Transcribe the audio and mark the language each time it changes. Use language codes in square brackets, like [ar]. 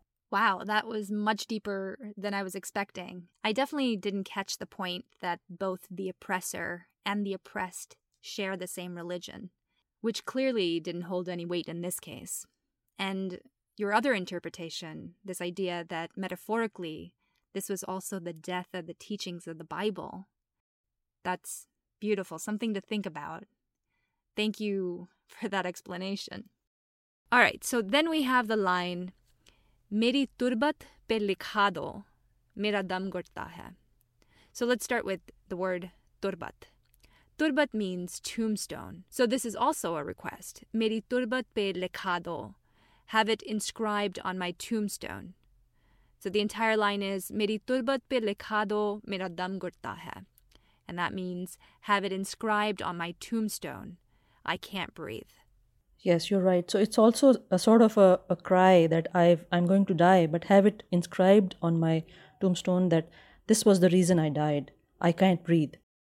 [en] Wow, that was much deeper than I was expecting. I definitely didn't catch the point that both the oppressor and the oppressed share the same religion, which clearly didn't hold any weight in this case. And your other interpretation, this idea that metaphorically, this was also the death of the teachings of the Bible, that's beautiful, something to think about. Thank you for that explanation. All right, so then we have the line, [ur] میری تربت پہ لکھا دو، میرا دم گھرتا ہے. [en] So let's start with the word turbat. Turbat means tombstone. So this is also a request. [ur] Meri turbat pe likhado, [en] have it inscribed on my tombstone. So the entire line is, [ur] میری تربت پہ لکھا دو، میرا دم گھرتا ہے. [en] And that means, have it inscribed on my tombstone. I can't breathe. Yes, you're right. So it's also a sort of a cry that I'm going to die, but have it inscribed on my tombstone that this was the reason I died. I can't breathe.